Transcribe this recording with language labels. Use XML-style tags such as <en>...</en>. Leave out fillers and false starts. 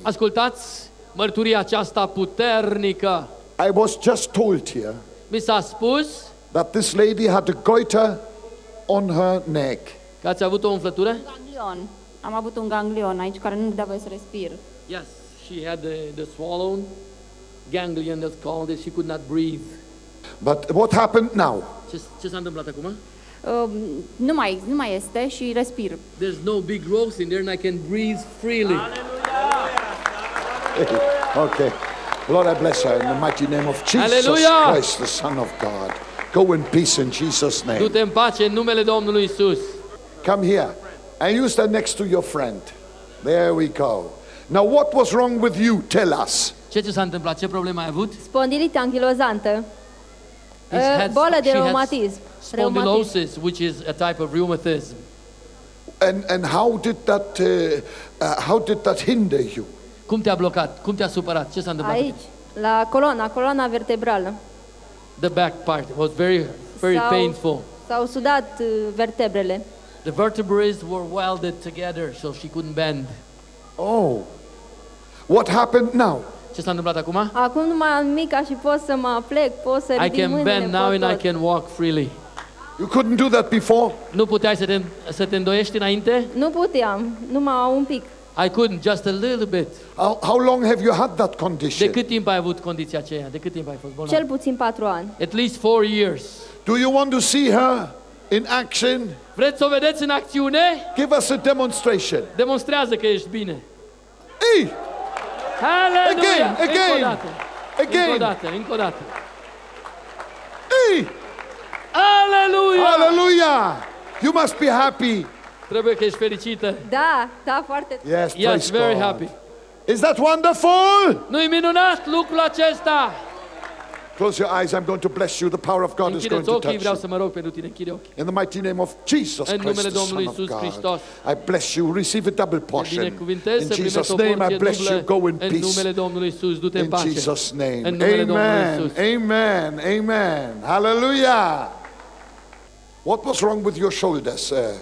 <ro>Ascultați mărturia aceasta puternică.</ro> <en>I was just told here.</en> <ro>Mi s-a spus</ro> <en>that this lady had a goiter on her neck.</en> <ro>Că ați avut o umflătură? Ganglion. Am avut un ganglion aici care nu-mi dă voie să respir.</ro> <en>Yes, she had the swollen ganglion that's called it. She could not breathe. But what happened now?</en> <ro>Ce s-a întâmplat acum? Nu mai este și respir.</ro> <en>There's no big growth in there and I can breathe freely. Hallelujah! Okay. Lord, I bless her in the mighty name of Jesus. Hallelujah! Christ, the Son of God. Go in peace in Jesus' name.</en> <ro>Du-te în pace în numele Domnului Isus.</ro> <en>Come here. And you stand next to your friend. There we go. Now, what was wrong with you? Tell us.</en> <ro>Ce s-a întâmplat? Ce problemă ai avut? Spondilită anchilozantă. Boală de reumatism.</ro> <en>Spondylosis, which is a type of rheumatism. And how did that hinder you?</en> <ro>Cum te-a blocat? Cum te-a supărat? Ce s-a întâmplat? Aici, la coloana vertebrală.</ro> <en>The back part was very, very painful.</en> <ro>S-au sudat vertebrele.</ro> <en>The vertebrae were welded together, so she couldn't bend. Oh, what happened now?</en> <ro>Ce s-a întâmplat acum? Acum nu mai am mica și pot să mă plec, pot să ridic mâinile.</ro> <en>I can bend now and I can walk freely. You couldn't do that before?</en> <ro>Nu puteai să te îndoiești înainte? Nu puteam, numai un pic.</ro> <en>I couldn't, just a little bit. How long have you had that condition?</en> <ro>De cât timp ai avut condiția aceea? De cât timp ai fost bolnav? Cel puțin 4 ani.</ro> <en>At least 4 years. Do you want to see her in action?</en> <ro>Vreți să o vedeți în acțiune?</ro> <en>Give us a demonstration.</en> <ro>Demonstrează că ești bine. Ei!</ro> <en>Hallelujah! Again, again.</en> <ro>Încă o dată. Ei!</ro> <en>Hallelujah! Hallelujah! You must be happy.</en> <ro>Trebuie că ești fericită. Da, foarte.</ro> <en>Yes, yes, very God. Happy. Is that wonderful? Nu-i minunat lucrul acesta? Close your eyes. I'm going to bless you. The power of God</en> <ro>închide-ți</ro> <en>is going to touch.</en> <ro>Vreau să mă rog pentru tine. Închide ochii.</ro> <en>In the mighty name of Jesus Christ.</en> <ro>În numele Domnului Isus Hristos.</ro> <en>I bless you. Receive a double portion.</en> <ro>În</ro> <en>Jesus' name I bless you. Go in peace.</en> <ro>În numele Domnului Isus, du-te în pace.</ro> <en>In Jesus' name. Amen. Amen. Amen. Hallelujah. What was wrong with your shoulders?</en>